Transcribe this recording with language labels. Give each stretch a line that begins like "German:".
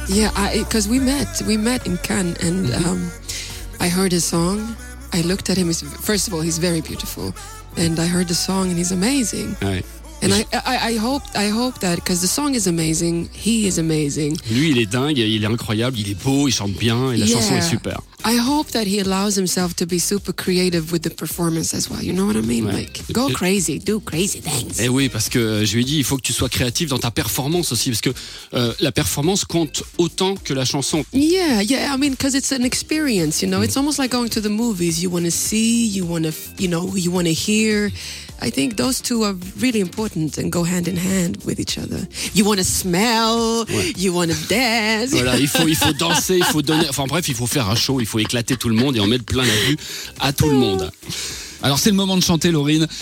English: Yeah, because we met in Cannes and I heard his song. I looked at him. First of all, he's very beautiful. And I heard the song, and he's amazing.
French: Ouais.
English: And I hope that because the song is amazing, he is amazing.
French: Lui, il est dingue, il est incroyable, il est beau, il chante bien, et la chanson est super.
English: I hope that he allows himself to be super creative with the performance as well. You know what I mean? Ouais. Like go crazy, do crazy things.
French: Eh oui, parce que je lui ai dit, il faut que tu sois créatif dans ta performance aussi, parce que la performance compte autant que la chanson.
English: Yeah. I mean, because it's an experience. You know, it's almost like going to the movies. You want to see, you want to hear. I think those two are really important and go hand in hand with each other. You want to smell, you want to dance.
French: Voilà, il faut danser, il faut donner. Enfin bref, il faut faire un show. Il faut éclater tout le monde et en mettre plein la vue à tout le monde. Alors c'est le moment de chanter, Laurine.